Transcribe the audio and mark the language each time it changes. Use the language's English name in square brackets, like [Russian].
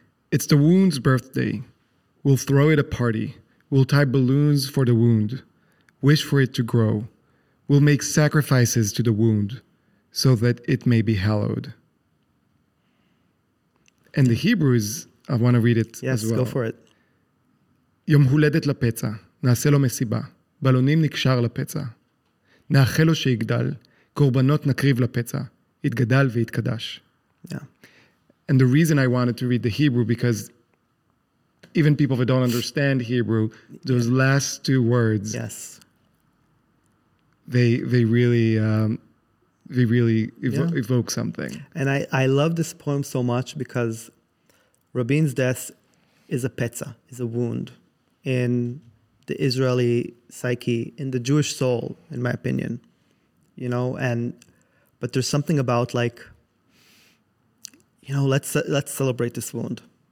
[English] It's the wound's birthday. We'll throw it a party. We'll tie balloons for the wound. Wish for it to grow. We'll make sacrifices to the wound so that it may be hallowed. And the Hebrews, I want to read it as well. Yes, go for it. [Hebrew] יום הולדת לפצע, נעשה לו מסיבה, בלונים נקשר לפצע. נאחל לו שיגדל, קורבנות נקריב לפצע, יתגדל ויתקדש. [English] And the reason I wanted to read the Hebrew, because even people that don't understand Hebrew, those last two words, they really evoke something. And I love this poem so much because Rabin's death is a petza, is a wound in the Israeli psyche, in the Jewish soul, in my opinion, you know, and, but there's something about like, you know, let's celebrate this wound.